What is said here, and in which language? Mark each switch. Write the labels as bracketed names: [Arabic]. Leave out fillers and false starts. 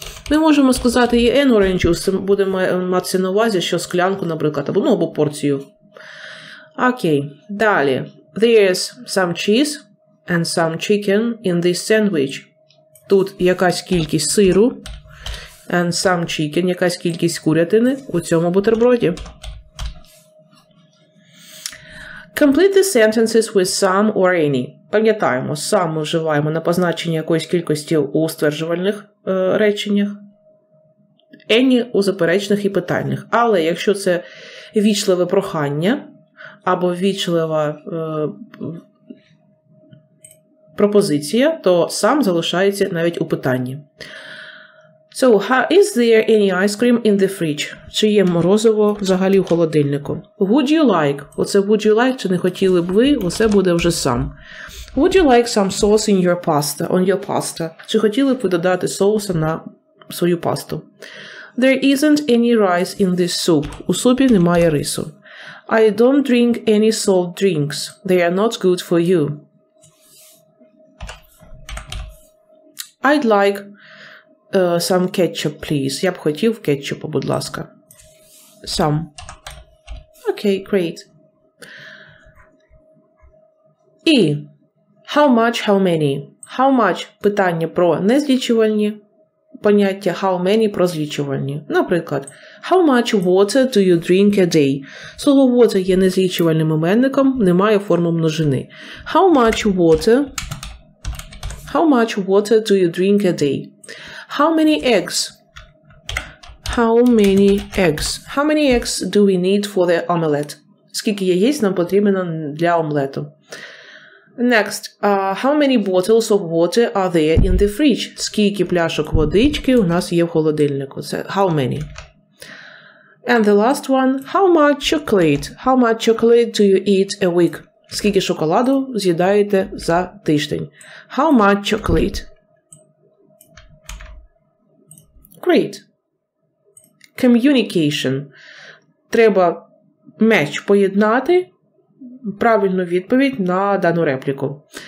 [Ukrainian] Ми можемо сказати і [English] an orange juice, [Ukrainian] будемо мати на увазі, що склянку, наприклад, або, ну, або порцію. Окей, далі. [English] There is some cheese and some chicken in this sandwich. [Ukrainian] Тут якась кількість сиру [English] and some chicken, [Ukrainian] якась кількість курятини у цьому бутерброді. [English] Complete the sentences with some or any. [Ukrainian] Пам'ятаємо, сам ми вживаємо на позначення якоїсь кількості у стверджувальних реченнях, any у заперечних і питальних. Але якщо це вічливе прохання або вічлива пропозиція, то сам залишається навіть у питанні. [English] So, is there any ice cream in the fridge? [Ukrainian] Чи є морозиво взагалі в холодильнику? [English] Would you like? [Ukrainian] Оце [English] would you like, [Ukrainian] чи не хотіли б ви, оце буде вже сам. [English] Would you like some sauce in your pasta, on your pasta? [Ukrainian] Чи хотіли б ви додати соуса на свою пасту? [English] There isn't any rice in this soup. [Ukrainian] У супі немає рису. [English] I don't drink any salt drinks. They are not good for you. I'd like some ketchup, please. [Ukrainian] Я б хотів кетчупу, будь ласка. [English] Some. Okay, great. І how much, how many? How much – [Ukrainian] питання про незлічувальні поняття, [English] how many – [Ukrainian] про злічувальні. [English] Наприклад, how much water do you drink a day? [Ukrainian] Слово water є незлічувальним іменником, немає форми множини. [English] How much water? How much water do you drink a day? How many eggs? How many eggs? How many eggs do we need for the omelet? [Ukrainian] Скільки яєць нам потрібно для омлету? [English] Next, how many bottles of water are there in the fridge? [Ukrainian] Скільки пляшок водички у нас є в холодильнику? [English] So, how many? And the last one, how much chocolate? How much chocolate do you eat a week? [Ukrainian] Скільки шоколаду з'їдаєте за тиждень? [English] How much chocolate? Great. Communication. [Ukrainian] Треба меч поєднати правильну відповідь на дану репліку.